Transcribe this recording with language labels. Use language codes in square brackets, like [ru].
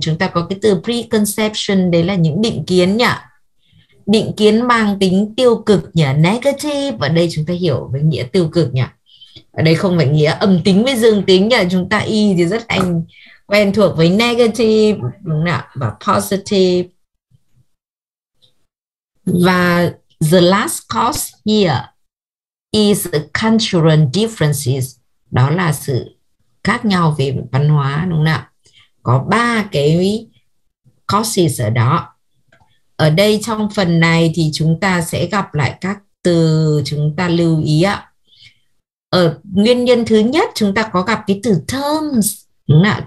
[vi] Chúng ta có cái từ preconception, đấy là những định kiến nhỉ. Định kiến mang tính tiêu cực nhỉ, negative. Ở đây chúng ta hiểu với nghĩa tiêu cực nhỉ. Ở đây không phải nghĩa âm tính với dương tính nhỉ. Chúng ta y thì rất anh quen thuộc với negative, đúng không ạ? Và positive. [en] Và the last cause here is the cultural differences. [vi] Đó là sự khác nhau về văn hóa, đúng không ạ? Có ba cái causes ở đó. Ở đây trong phần này thì chúng ta sẽ gặp lại các từ chúng ta lưu ý ạ. Ở nguyên nhân thứ nhất chúng ta có gặp cái từ terms, đúng không ạ?